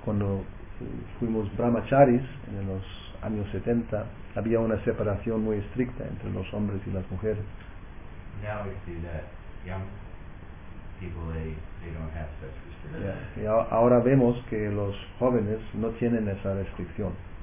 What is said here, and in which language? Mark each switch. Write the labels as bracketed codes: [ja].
[es] Cuando fuimos Brahmacharis en los años 70, había una separación muy estricta entre los hombres y las mujeres. [en] Now we see that young people, they don't have such restrictions. [es] Yeah. Y ahora vemos que los jóvenes no tienen esa restricción.